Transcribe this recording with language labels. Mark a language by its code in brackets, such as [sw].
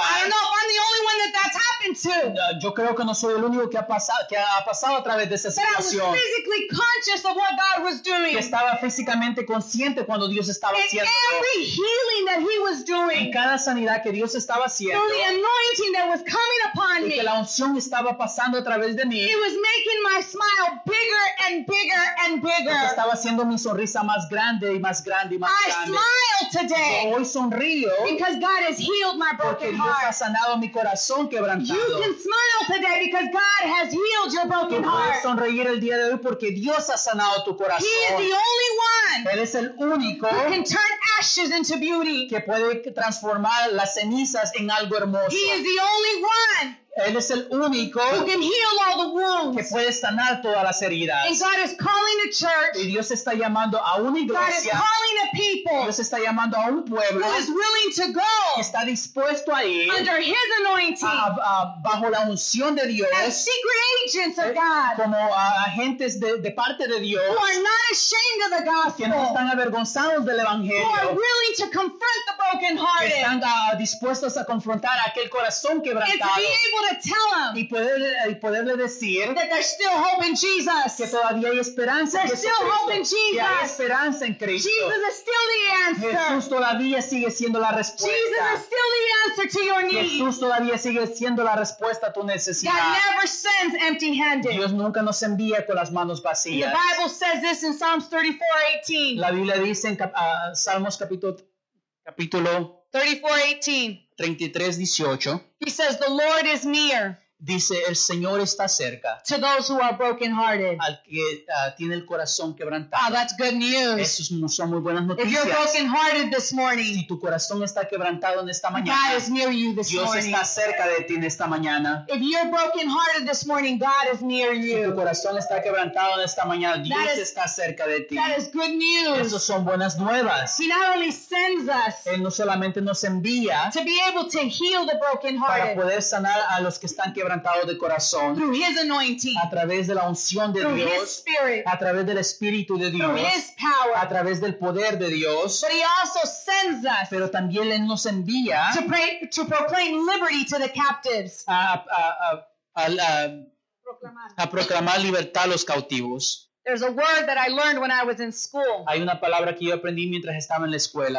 [en] I don't know. I'm the only one that that's happened to. [es] Yo creo que no soy el único que ha pasado a través de esa situación. [en] But I was physically conscious of what God was doing. [es] Que estaba físicamente consciente cuando Dios estaba haciendo. [en] In every healing that he was doing. [es] En cada sanidad que Dios estaba haciendo. [en] Through the anointing that was coming upon me. [es] Y que la unción estaba pasando a través de mí. [en] It was making my smile bigger and bigger and bigger. [es] Porque estaba haciendo mi sonrisa más grande y más grande y más grande. [en] I smile today. [es] Yo hoy sonrío. [en] Because God has healed my broken heart. [es] Porque Dios ha sanado mi corazón quebrantado. [en] You can smile today because God has healed your broken heart. [es] Tú puedes sonreír el día de hoy porque Dios ha sanado tu corazón. [en] He is the only one. [es] Él es el único. [en] Who can turn ashes into beauty. [es] Que puede transformar las cenizas en algo hermoso. [en] He is the only one. [es] Él es el único. [en] Who can heal all the wounds. [es] Que puede sanar todas las heridas. [en] And God is calling a church. [es] Y Dios está llamando a una iglesia. [en] God is calling a people. [es] Dios está llamando a un pueblo. [en] Who is willing to go. [es] Está dispuesto a ir. [en] Under his anointing. [es] Bajo la unción de Dios. [en] As secret agents of God. [es] Como agentes de parte de Dios. [en] Who are not ashamed of the gospel. [es] Que no están avergonzados del evangelio. [en] Who are willing to confront the broken hearted. [es] Que están dispuestos a confrontar aquel corazón quebrantado. [en] To tell them [es] y poderle decir [en] that there's still hope in Jesus. [es] Que todavía hay esperanza. [en] There's still hope in Jesus. [es] Que hay esperanza en Cristo. [en] Jesus is still the answer. [es] Jesús todavía sigue siendo la respuesta. [en] Jesus is still the answer to your need. [es] Jesús todavía sigue siendo la respuesta a tu necesidad. [en] God never sends empty-handed. [es] Dios nunca nos envía con las manos vacías. [en] The Bible says this in Psalms 34:18. [es] La Biblia dice en Salmos capítulo [en] 34:18. He says, the Lord is near. [es] Dice, el Señor está cerca. [en] To those who are brokenhearted. [es] Al que tiene el corazón quebrantado. [en] Oh, that's good news. [es] Eso son muy buenas noticias. [en] If you're brokenhearted this morning. [es] Si tu corazón está quebrantado en esta mañana. [en] God is near you this [es] Dios [en] morning. [es] Dios está cerca de ti en esta mañana. [en] If you're brokenhearted this morning, God is near you. [es] Si tu corazón está quebrantado en esta mañana, Dios está cerca de ti. [en] That is good news. [es] Esos son buenas nuevas. [en] He not only sends us. [es] Él no solamente nos envía. [en] To be able to heal the brokenhearted. [es] Para poder sanar a los que están quebrantados. De corazón, [en] through his anointing, [es] a través de la unción de [en] through [es] Dios, [en] his spirit, [es] a través del espíritu de Dios, [en] through his power, [es] a través del poder de Dios, [en] but he also sends us, [es] pero también él nos envía, [en] to proclaim liberty to the captives, [es] a proclamar libertad a los cautivos. [en] There's a word that I learned when I was in school. [es] Hay una palabra que yo aprendí mientras estaba en la escuela.